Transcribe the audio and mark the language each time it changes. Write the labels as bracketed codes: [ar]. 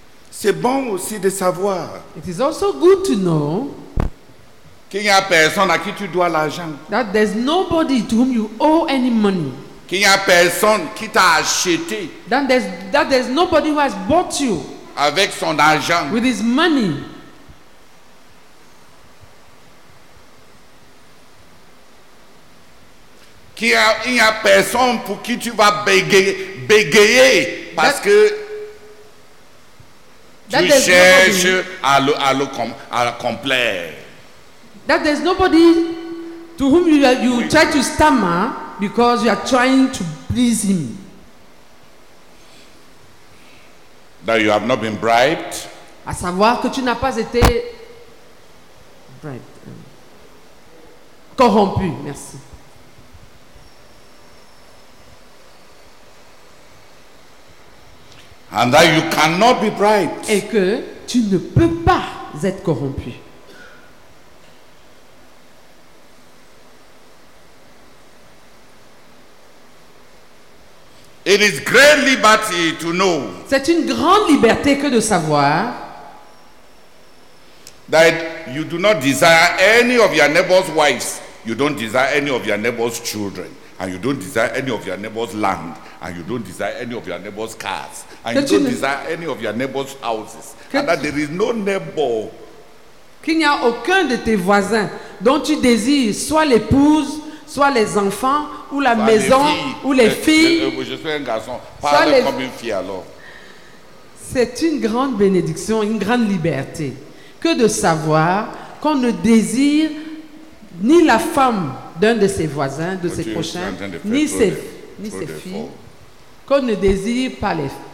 [fr] C'est bon aussi de savoir. [en] It is also good to know [fr] qu'il n'y a personne à qui tu dois l'argent. [en] That there's nobody to whom you owe any money. [fr] Qu'il n'y a personne qui t'a acheté. [en] That there's nobody who has bought you. [fr] Avec son argent. [en] With his money. [fr] Qu'il n'y a personne pour qui tu vas bégayer parce que. [en] That [fr] tu cherches à le complaire. [en] That there's nobody to whom you oui. Try to stammer because you are trying to please him. That you have not been bribed. [fr] À savoir que tu n'as pas été bribed. Corrompu, merci. [en] And that you cannot be bribed. [fr] Et que tu ne peux pas être corrompu. [en] It is great liberty to know. [fr] C'est une grande liberté que de savoir [en] that you do not desire any of your neighbor's wives, you don't desire any of your neighbor's children. And you don't desire any of your neighbor's land. And you don't desire any of your neighbor's cars. And you don't desire any of your neighbor's houses. And that there is no neighbor. [fr] Qu'il n'y a aucun de tes voisins dont tu désires soit l'épouse, soit les enfants, ou la maison, ou les filles. Je suis un garçon. Parle comme une fille alors. C'est une grande bénédiction, une grande liberté que de savoir qu'on ne désire ni la femme d'un de ses voisins, de ses prochains, ni ses filles, qu'on ne désire pas les filles.